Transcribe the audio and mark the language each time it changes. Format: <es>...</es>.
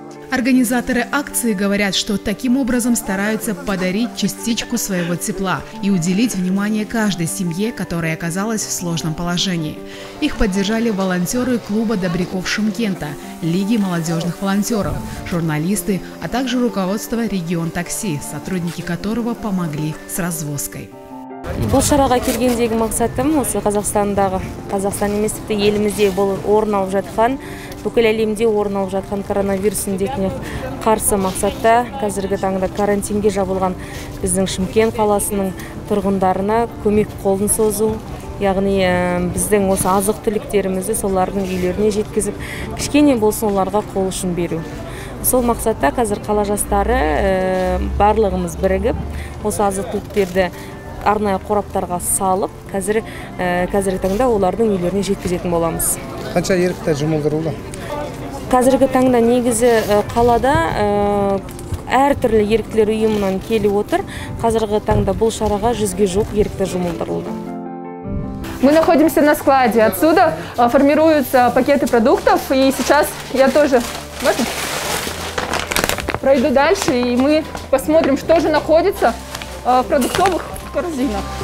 <ru>Организаторы акции говорят, что таким образом стараются подарить частичку своего тепла и уделить внимание каждой семье, которая оказалась в сложном положении. Их поддержали волонтеры клуба «Добряков Шымкента», Лиги молодежных волонтеров, журналисты, а также руководство «Регион такси», сотрудники которого помогли с развозкой.</ru> <kk>Бұл шараға келгендегі мақсатым осы Қазақстандағы, Қазақстан емес тіпті елімізде орын алып жатқан, бүкіл әлемде орын алып жатқан коронавирус індетіне қарсы мақсатта қазіргі таңда карантинге жабылған біздің Шымкент қаласының тұрғындарына көмек қолын созу. Яғни біздің осы азық түліктерімізді солардың үйлеріне жеткізіп, кішкене болсын оларға қол ұшын беру. Сол мақсатта қазір қала жастары барлығымыз бірігіп осы азық түліктерді арнайы қораптарға салып, қазіргі таңда олардың үйлеріне жеткізетін боламыз. Қанша ерікті жұмылдырылды? Қазіргі таңда негізі қалада әр түрлі еріктілер ұйымынан келіп отыр. Қазіргі таңда бұл шараға 100-ге жуық ерікті жұмылдырылды.</kk> <ru>Мы находимся на складе. Отсюда формируются пакеты продуктов. И сейчас я тоже пройду дальше, и мы посмотрим, что же находится в продуктовых корзинах.</ru>